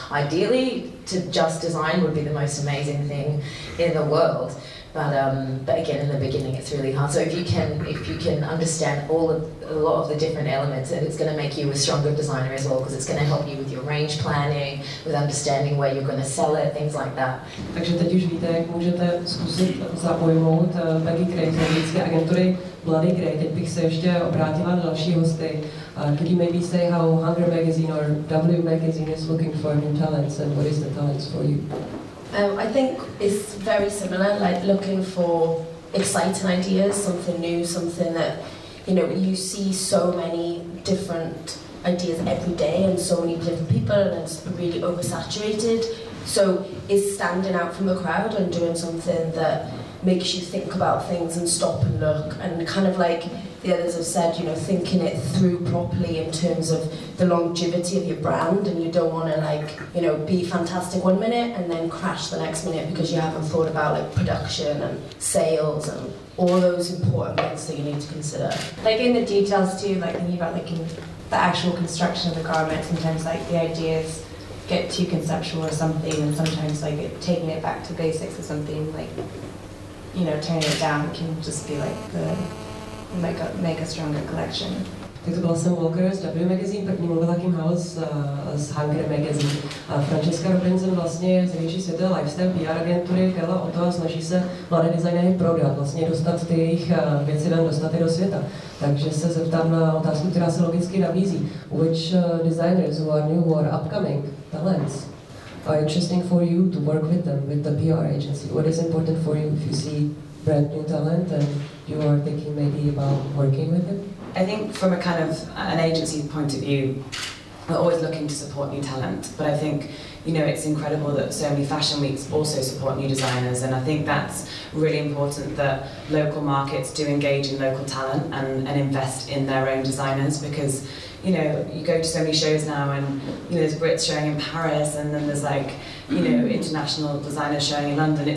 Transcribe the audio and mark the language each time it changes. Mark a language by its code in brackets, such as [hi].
[en] Ideally, to just design would be the most amazing thing in the world, but again, in the beginning it's really hard. So if you can understand a lot of the different elements, and it's going to make you a stronger designer as well, because it's going to help you with your range planning, with understanding where you're going to sell it, things like that. [cs] Takže teď už víte, jak můžete zkusit zapojmout Becky Craig z americké agentury Bloody Craig. Teď bych se ještě obrátila na další hosty. [en] Could you maybe say how Hunger Magazine or W Magazine is looking for new talents, and what is the talents for you? I think it's very similar, like looking for exciting ideas, something new, something that, you know, you see so many different ideas every day and so many different people, and it's really oversaturated. So it's standing out from the crowd and doing something that makes you think about things and stop and look, and kind of like the others have said, you know, thinking it through properly in terms of the longevity of your brand, and you don't want to, like, you know, be fantastic one minute and then crash the next minute because you haven't thought about like production and sales and all those important things that you need to consider. Like in the details too, like thinking about like the actual construction of the garment, sometimes like the ideas get too conceptual or something, and sometimes like taking it back to basics or something, like, you know, turning it down can just be like the make a stronger collection. [cs] Tak to byla Sam Walker z W Magazine, první mluvila Kim Howell z Hunger Magazine. Francesca Robinson vlastně je z největší světové lifestyle PR agentury, Kayla Otto, a snaží se mladé designéry prodat, vlastně dostat ty jejich věci ven, dostat je do světa. Takže se zeptám na otázku, která se logicky nabízí. [en] Which designers who are new or upcoming talents are interesting for you to work with them, with the PR agency? What is important for you if you see brand new talent and you are thinking maybe about working with them? I think from a kind of an agency point of view, we're always looking to support new talent, but I think, you know, it's incredible that so many fashion weeks also support new designers, and I think that's really important that local markets do engage in local talent and invest in their own designers, because, you know, you go to so many shows now and, you know, there's Brits showing in Paris and then there's, like, you know, international designers showing in London.